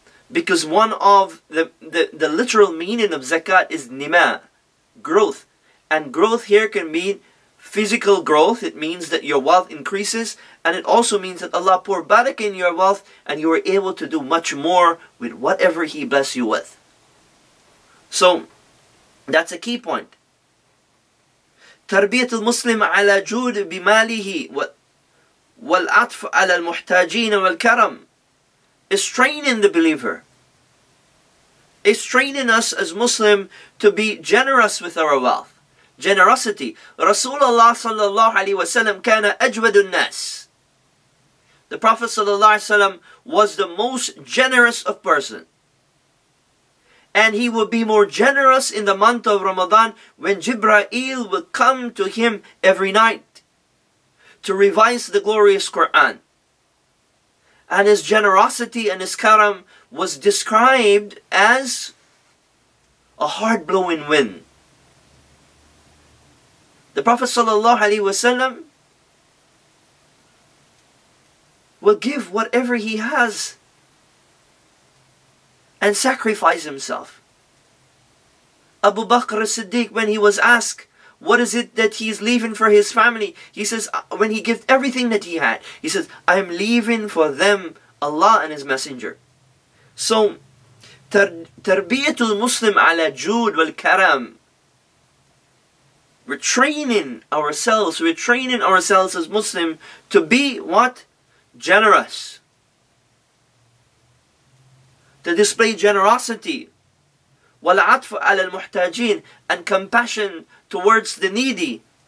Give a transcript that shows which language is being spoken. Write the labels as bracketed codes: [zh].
[en] Because one of the literal meaning of zakat is nima, growth. And growth here can mean physical growth. It means that your wealth increases. And it also means that Allah pour barakah in your wealth and you are able to do much more with whatever He bless you with. So, that's a key point. [ar] تربية المسلم على جود بماله والعطف على المحتاجين والكرم. [en] It's training the believer. It's training us as Muslim to be generous with our wealth. Generosity. [ar] رسول الله صلى الله عليه وسلم كان أجود الناس. [en] The Prophet [ar] صلى الله عليه وسلم [en] was the most generous of persons. And he will be more generous in the month of Ramadan when Jibreel will come to him every night to revise the glorious Quran. And his generosity and his karam was described as a hard blowing wind. The Prophet sallallahu alaihi wasallam will give whatever he has and sacrifice himself. Abu Bakr as-Siddiq, when he was asked, what is it that he's leaving for his family? He says, when he gives everything that he had, he says, I'm leaving for them Allah and His Messenger. So, [ar] تربية المسلم على جود والكرم. [en] We're training ourselves as Muslim to be what? Generous. To display generosity. [ar] والعطف على المحتاجين, [en] and compassion towards the needy.